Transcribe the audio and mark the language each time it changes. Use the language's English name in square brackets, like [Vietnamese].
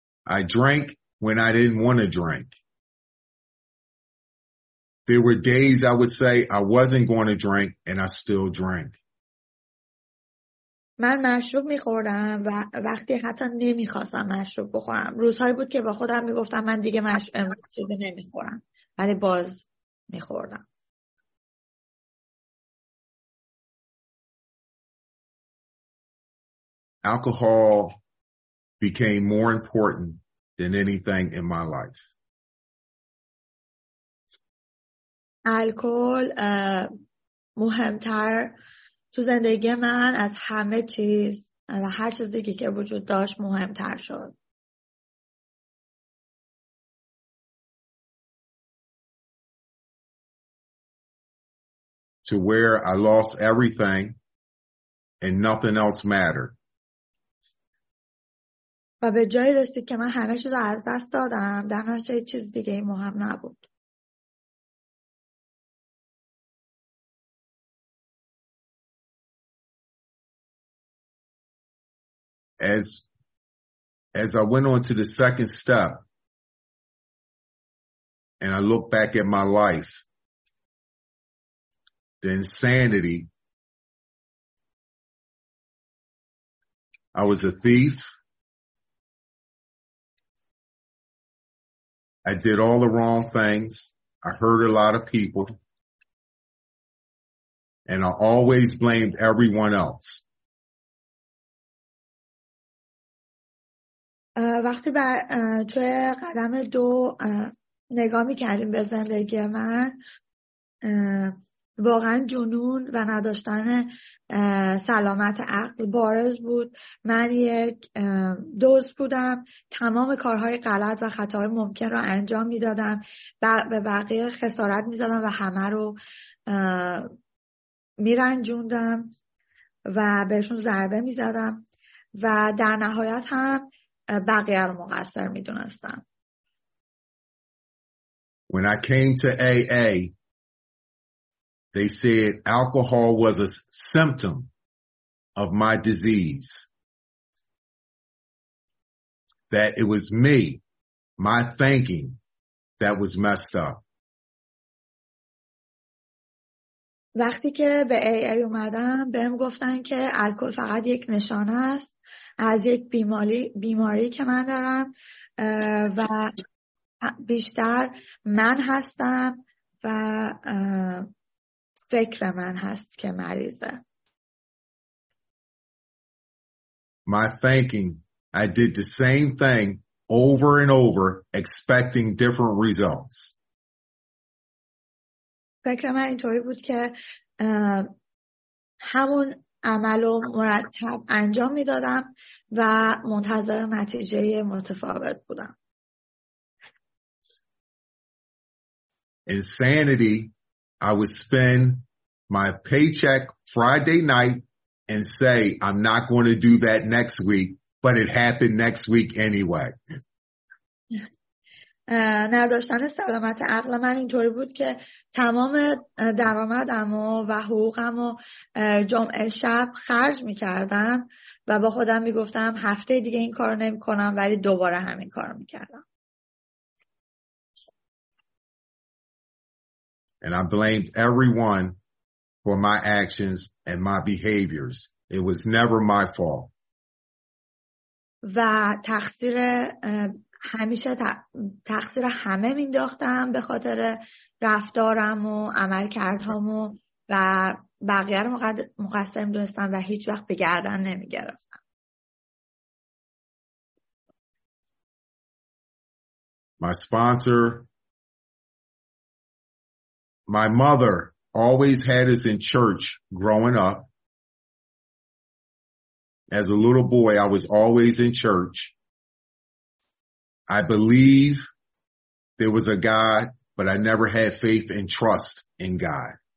[English] I drank when I didn't want to drink. There were days I would say I wasn't going to drink and I still drank. [Persian] من مشروب میخوردم و وقتی حتی نمیخواستم مشروب بخورم. روزهایی بود که با خودم میگفتم من دیگه چیزی نمیخورم. ولی باز میخوردم. [English] Alcohol became more important than anything in my life. [Persian] الکل مهمتر تو زندگی من از همه چیز و هر چیزی که وجود داشت مهمتر شد. [English] To where I lost everything and nothing else mattered. [Persian] و به جایی رسید که من همه چیز رو از دست دادم، در نتیجه چیز دیگه مهم نبود. [English] As I went on to the second step and I look back at my life, the insanity, I was a thief. I did all the wrong things. I hurt a lot of people. And I always blamed everyone else. [Persian] وقتی بر توی قدم دو نگاه می کردیم به زندگی من، واقعا جنون و نداشتن سلامت عقل بارز بود. من یک دوست بودم، تمام کارهای غلط و خطاهای ممکن را انجام می دادم، به بقیه خسارت می زدم و همه رو می رنجوندم و بهشون ضربه می زدم و در نهایت هم بقیه رو مقصر می دونستم. [English] When I came to AA, they said alcohol was a symptom of my disease. That it was me, my thinking, that was messed up. [Persian] وقتی که به AA اومدم بهم گفتن که الکل فقط یک نشانه است از یک بیماری که من دارم و بیشتر من هستم و فکر من هست که مریضه. [English] My thinking, I did the same thing over and over expecting different results. [Persian] فکر من اینطوری بود که همون عملو مرتب انجام میدادم و منتظر نتیجه متفاوت بودم. [English] Insanity, I would spend my paycheck Friday night and say I'm not going to do that next week, but it happened next week anyway. [Persian] نداشتن سلامت عقل من اینطوری بود که تمام درآمدم و حقوقم و جمعه شب خرج میکردم و با خودم میگفتم هفته دیگه این کار نمی کنم، ولی دوباره همین کار میکردم. [English] And I blamed everyone for my actions and my behaviors. It was never my fault. [Persian] و تقصیر همیشه تقصیر همه مینداختم به خاطر رفتارم و عملکردهام و بقیه رو مقصر میدونستم و هیچ وقت به گردن نمیگرفتم. [English] My sponsor, my mother always had us in church growing up. As a little boy, I was always in church. I believe there was a God, but I never had faith and trust in God.